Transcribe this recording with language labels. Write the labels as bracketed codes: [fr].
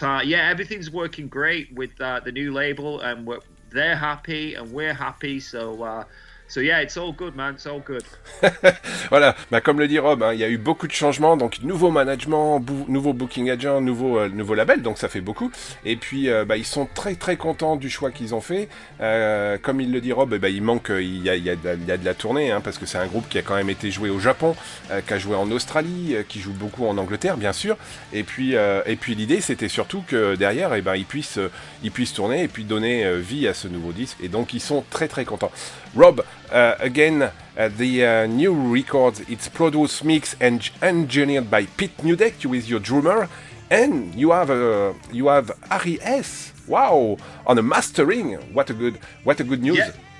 [en] Everything's working great with the new label, and they're happy and we're happy. So, it's all good, man. It's all good. [fr] Voilà, bah, comme le dit Rob, hein, il y a eu beaucoup de changements, donc nouveau management, nouveau booking agent, nouveau label, donc ça fait beaucoup. Et puis bah, ils sont très très contents du choix qu'ils ont fait, comme il le dit Rob, et bah, il y a de la tournée, hein, parce que c'est un groupe qui a quand même été joué au Japon, qui a joué en Australie, qui joue beaucoup en Angleterre bien sûr, et puis l'idée c'était surtout que derrière, et bah, ils puissent tourner et puis donner vie à ce nouveau disque, et donc ils sont très très contents. [en] Rob, again, the new record, it's produced, mixed and engineered by Pete Newdeck, who is your drummer, and you have Harry S. Wow, on a mastering. What a good news. Yeah.